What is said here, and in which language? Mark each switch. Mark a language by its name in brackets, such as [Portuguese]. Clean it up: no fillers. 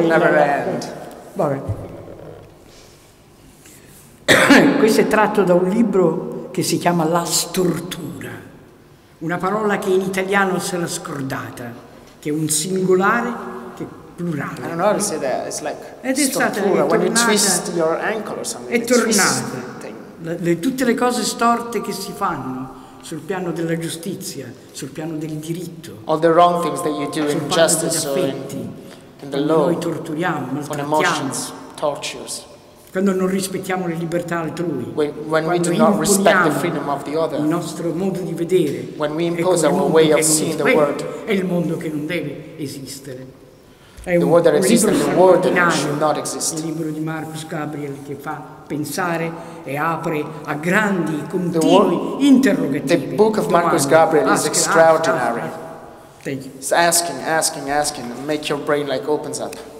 [English] Never end. [Italian] Vabbè. Questo è tratto da un libro che si chiama La stortura. Una parola che in italiano sarà scordata, che è un singolare, che è plurale. [English] I don't know how to say that. It's like stortura, when you twist your ankle or something. [Italian] È tornata. Tutte le cose storte che si fanno sul piano della giustizia, sul piano del diritto. [English] All the wrong things that you do in justice or in the law. [Italian] Noi torturiamo, maltrattiamo. [English] On emotions, tortures. [Italian] Quando non rispettiamo le libertà altrui, [English] when we do not respect the freedom of the other, [Italian] il nostro modo di vedere, [English] when we impose our way of seeing the world, [Italian] è il mondo che non deve esistere. [English] The word that exists and the word that should not exist. [Italian] Il libro di Markus Gabriel che fa pensare e apre a grandi, continui interrogativi. [English] The book of Markus Gabriel is extraordinary. Thank you. It's asking, asking, asking, and make your brain like opens up.